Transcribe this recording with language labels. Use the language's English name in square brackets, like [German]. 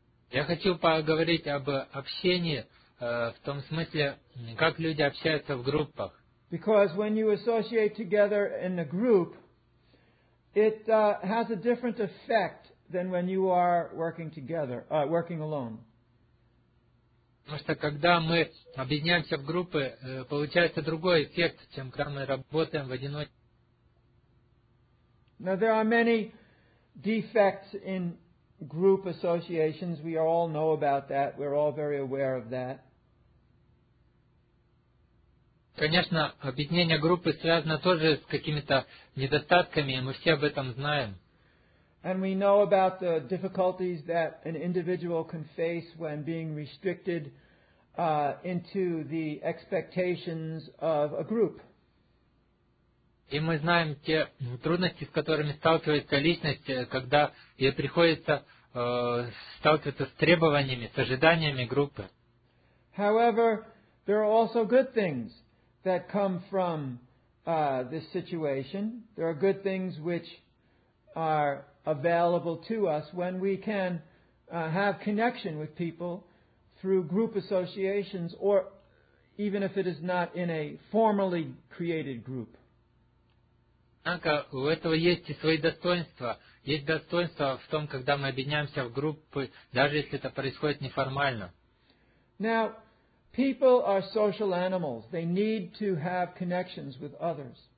[Russian] Я хотел поговорить об общении в том смысле, как люди общаются в группах. [English] Because when you associate together in a group, it has a different effect than when you are working together, working alone. [Russian] Потому что когда мы объединяемся в группы, получается другой эффект, чем когда мы работаем в одиночку. [English] Now there are many defects in group associations. We all know about that. We're all very aware of that. [Russian] Конечно, объединение группы связано тоже с какими-то недостатками, и мы все об этом знаем. [English] And we know about the difficulties that an individual can face when being restricted into the expectations of a group. [Russian] И мы знаем те трудности, с которыми сталкивается личность, когда ей приходится сталкиваться с требованиями, с ожиданиями группы. [English] However, there are also good things that come from this situation. There are good things which are available to us when we can have connection with people through group associations, or even if it is not in a formally created group. [Russian] Однако у этого есть и свои достоинства. Есть достоинства в том, когда мы объединяемся в группы, даже если это происходит неформально. [English] Now, people are social animals. They need to have connections with others.